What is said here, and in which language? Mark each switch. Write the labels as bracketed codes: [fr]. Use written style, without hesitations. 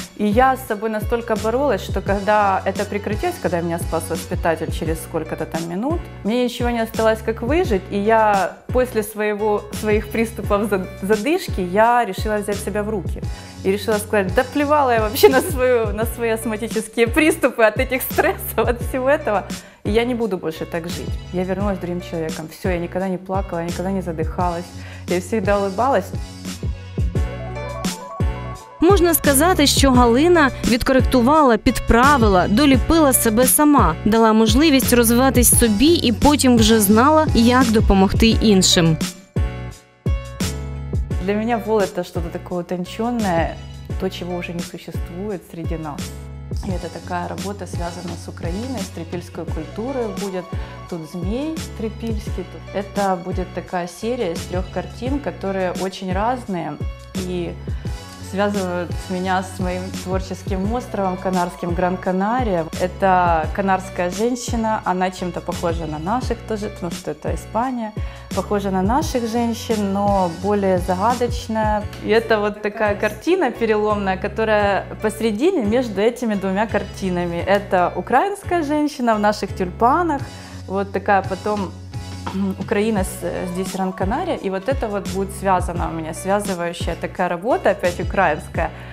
[ru] И я с собой настолько боролась, что когда это прекратилось, когда меня спас воспитатель через сколько-то там минут, мне ничего не осталось, как выжить, и я после своих приступов задышки, я решила взять себя в руки. И решила сказать, да плевала я вообще на свои астматические приступы от этих стрессов, от всего этого. И я не буду больше так жить. Я вернулась другим человеком. Все, я никогда не плакала, я никогда не задыхалась. Я всегда улыбалась. [uk] Можна сказати, що Галина відкоректувала, підправила, доліпила себе сама, дала можливість розвиватись собі і потім вже знала, як допомогти іншим. Для мене воля – це щось таке утончене, то, чого вже не существує серед нас. І це така робота, зв'язана з Україною, з трипільською культурою. Буде тут змій трипільський. Це буде така серія з трьох картин, які дуже різні і [ru] связывают меня с моим творческим островом Канарским, [uk] Гран-Канария. [ru] Это канарская женщина, она чем-то похожа на наших тоже, потому что это Испания. Похожа на наших женщин, но более загадочная. И это вот такая картина переломная, которая посередине между этими двумя картинами. Это украинская женщина в наших тюльпанах. Вот такая потом Украина, здесь Гран-Канария, и вот это вот будет связано у меня, связывающая такая работа опять украинская.